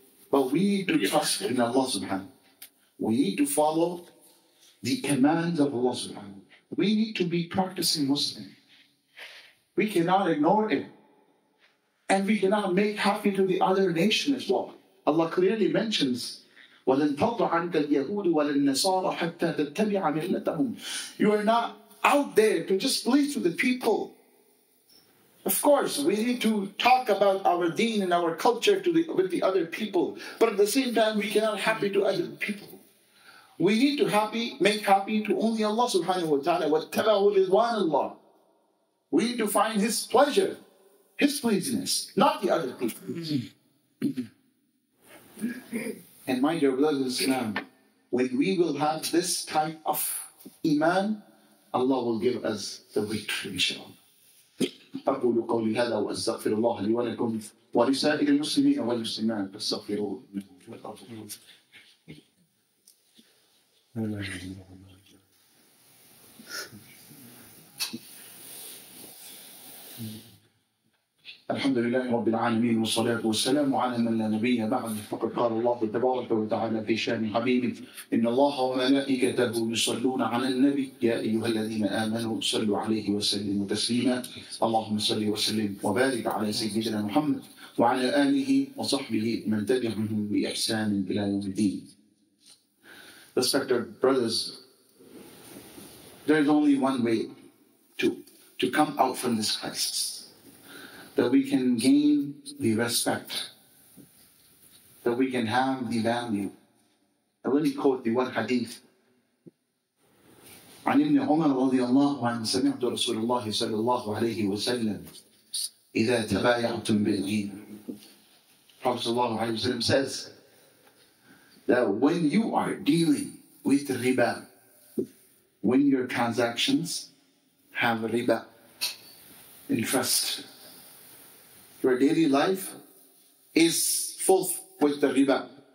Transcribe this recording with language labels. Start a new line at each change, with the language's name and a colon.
English: But we need to trust in Allah subhanahu wa ta'ala. We need to follow the commands of Allah subhanahu wa ta'ala. We need to be practicing Muslim. We cannot ignore it. And we cannot make happy to the other nation as well.
Arabic: Allah clearly mentions, وَلَنْ تَرْضَ عَنْكَ الْيَهُودُ وَلَنْ نَصَارَ حَتَّى تَتَّبِعَ مِلَّتَهُمْ.
English: You are not out there to just please to the people. Of course, we need to talk about our deen and our culture with the other people. But at the same time, we cannot happy to other people. We need to make happy to only Allah subhanahu wa ta'ala.
Arabic: وَاتَّبَعُوا رِضْوَانَ اللَّهِ.
English: We need to find His pleasure, His pleasingness, not the other people. And my dear brothers in Islam, when we will have this type of iman, Allah will give us the victory, inshallah.
Arabic: أقول قولي هذا وأستغفر الله لي ولكم ولسائر المسلمين والمسلمات فاستغفروه إنه هو الغفور. الحمد لله رب العالمين والصلاة والسلام على من لا نبي بعد. فقد قال الله تبارك وتعالى في شأن حبيبه: إن الله وملائكته يصلون على النبي يا أيها الذين آمنوا صلوا عليه وسلموا تسليما. اللهم صل وسلم وبارك على سيدنا محمد وعلى آله وصحبه من تبعهم بإحسان إلى يوم الدين.
English: Respected brothers, there is only one way to come out from this crisis, that we can gain the respect, that we can have the value. And let me quote the one hadith.
Arabic: عن ابن عمر رضي الله عنه سمعت رسول الله صلى الله عليه وسلم إذا تبايعتم بالدين.
English: Prophet
Arabic: صلى الله عليه وسلم
English: says that when you are dealing with riba, when your transactions have riba, interest, your daily life is full with the riba.